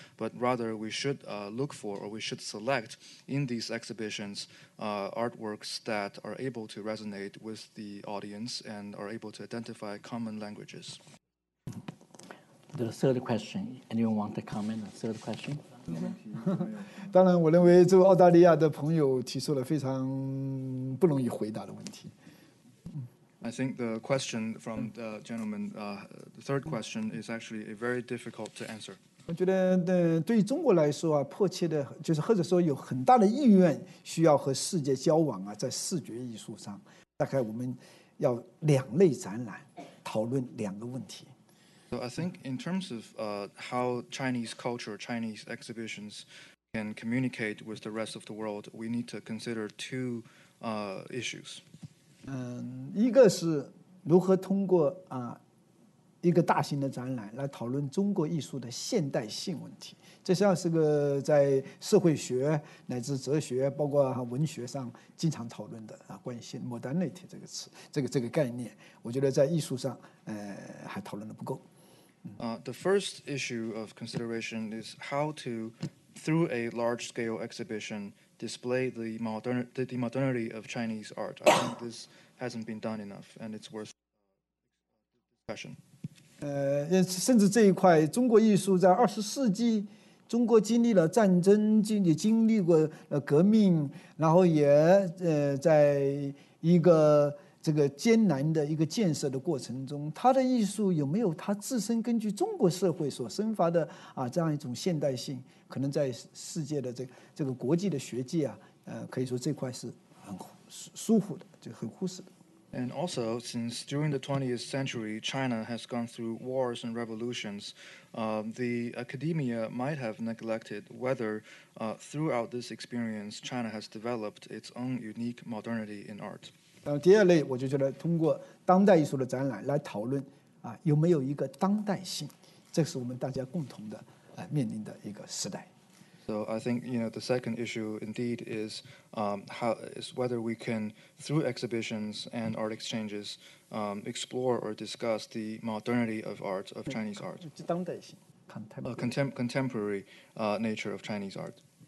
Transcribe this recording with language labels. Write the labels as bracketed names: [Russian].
[English] But rather, we should look for or we should select in these exhibitions artworks that are able to resonate with the audience and are able to identify common languages. The third question. Anyone want to comment on the third question? [Chinese] 当然我认为这澳大利亚的朋友提出了非常不容易回答的问题。 [English] I think the question from the gentleman, the third question is actually a very difficult to answer. [Chinese] 我觉得对于中国来说啊，迫切的就是或者说有很大的意愿需要和世界交往啊，在视觉艺术上，大概我们要两类展览讨论两个问题。 [English] So I think in terms of how Chinese culture, Chinese exhibitions can communicate with the rest of the world, we need to consider two issues. [Chinese] 一个是如何通过一个大型的展览来讨论中国艺术的现代性问题。这实际上是个在社会学乃至哲学包括文学上经常讨论的关于 modernity 这个词，这个概念，我觉得在艺术上还讨论的不够。 [English] The first issue of consideration is how to, through a large-scale exhibition, display the modernity of Chinese art. I think this hasn't been done enough, and it's worth discussion. [Chinese] 甚至这一块，中国艺术在二十世纪，中国经历了战争，经历过革命，然后也在一个这个艰难的一个建设的过程中，他的艺术有没有他自身根据中国社会所生发的这样一种现代性，可能在世界的这个国际的学界可以说这块是很疏忽的，就很忽视的。 [English] And also, since during the 20th century, China has gone through wars and revolutions, the academia might have neglected whether throughout this experience, China has developed its own unique modernity in art. [Chinese] 第二类，我就觉得通过当代艺术的展览来讨论有没有一个当代性，这是我们大家共同的面临的一个时代。 [English] So I think, you know, the second issue indeed is whether we can, through exhibitions and art exchanges, explore or discuss the modernity of art, of Chinese art. [Chinese] 当代性 [English] contemporary nature of Chinese art.